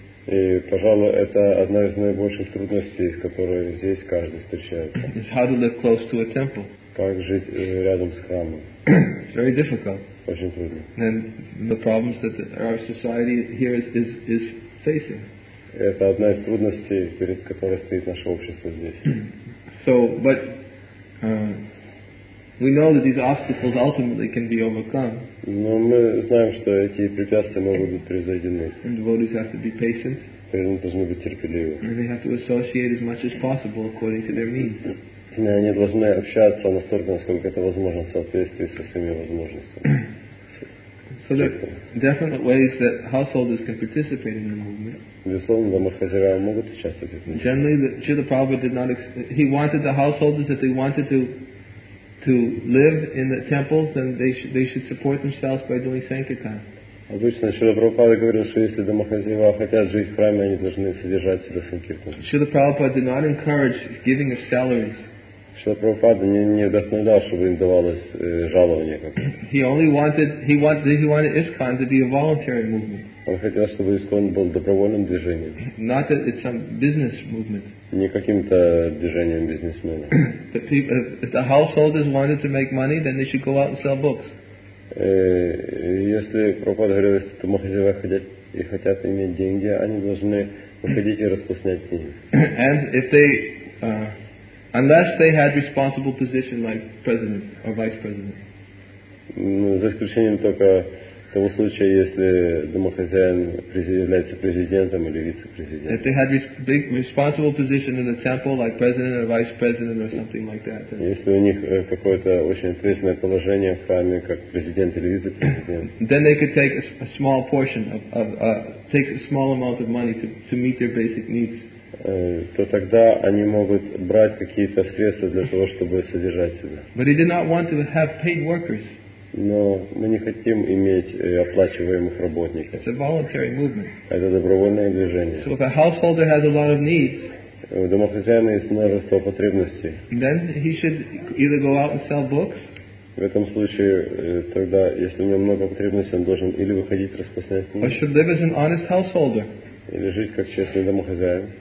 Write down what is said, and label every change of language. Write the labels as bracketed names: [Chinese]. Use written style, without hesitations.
[Russian] И, пожалуй, это одна из наибольших трудностей, с которой здесь каждый встречается. [English] Is how to live close to a temple. [Russian] Как жить рядом с храмом. [English] It's very difficult. [Russian] Очень трудно. [English] And the problems that our society here is facing. [Russian] Это одна из трудностей, перед которой стоит наше общество здесь. [English] So, but we know that these obstacles ultimately can be overcome. [Russian] Но мы знаем, что эти препятствия могут быть преодолены. [English] And devotees have to be patient. [Russian] Преданные должны быть терпеливы. [English] And they have to associate as much as possible according to their means. [Russian] И они должны общаться настолько, насколько это возможно, в соответствии со своими возможностями. [English] So there are definite ways that householders can participate in the movement. [Russian] Безусловно, домохозяева могут участвовать в этом. [English] Generally, Srila Prabhupada did not. He wanted the householders, if they wanted to live in the temples, then they should support themselves by doing sankirtan. [Russian] Обычно Srila Prabhupada говорил, что если домохозяева хотят жить в храме, они должны содержать себя санкиртан. [English] Srila Prabhupada did not encourage giving of salaries. [Russian] Что Прабхупада не вдохновлял, чтобы им давалось жалование какое-то. Он хотел, чтобы ИСККОН был добровольным движением. [English] Not that it's some business movement. [Russian] Не каким-то движением бизнесмена. [English] If the householders wanted to make money, then they should go out and sell books. [Russian] Если Прабхупада говорил, если домохозяева хотят иметь деньги, они должны выходить и распространять книги. [English] And if they... Unless they had responsible position like president or vice president. [Russian] За исключением только того случая, если домохозяин является президентом или вице-президентом. [English] If they had big responsible position in the temple like president or vice president or something like that. [Russian] Если у них какое-то очень ответственное положение в храме как президент или вице-президент. [English] Then they could take a small portion take a small amount of money to meet their basic needs. [Russian] То тогда они могут брать какие-то средства для того, чтобы содержать себя. [English] But he did not want to have paid workers. [Russian] Но мы не хотим иметь оплачиваемых работников. [English] It's a voluntary movement. [Russian] Это добровольное движение. [English] So if a householder has a lot of needs, [Russian] у домохозяина есть множество потребностей. [English] Then he should either go out and sell books. [Russian] В этом случае тогда, если у него много потребностей, он должен или выходить распространять книги. [English] Or should live as an honest householder. [Russian] Или жить как честный домохозяин.